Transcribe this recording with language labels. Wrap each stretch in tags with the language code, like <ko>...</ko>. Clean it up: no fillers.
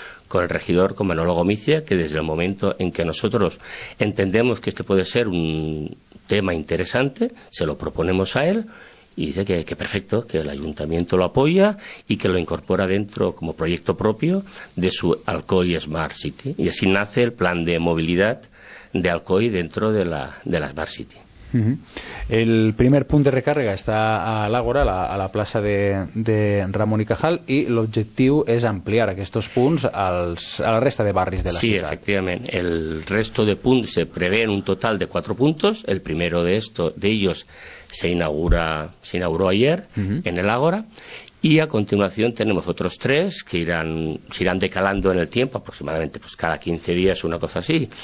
<es>con el regidor, con Manolo Gomicia, que desde el momento en que nosotros entendemos que este puede ser un tema interesante, se lo proponemos a él, y dice que perfecto, que el Ayuntamiento lo apoya y que lo incorpora dentro como proyecto propio de su Alcoi Smart City, y así nace el plan de movilidad de Alcoi dentro de la Smart City. Uh-huh.</es> <ca>El primer punt de recàrrega està a l'Àgora, a la plaça de Ramón y Cajal, i l'objectiu és ampliar aquests punts a la resta de barris de la ciutat. Sí, efectivament.</ca> <es>El resto de punts se prevé en un total de 4 puntos. El primero de ellos se inauguró ayer, uh-huh, en el Àgora. Y a continuación tenemos otros tres que se irán decalando en el tiempo, aproximadamente pues cada 15 días, una cosa así.</es>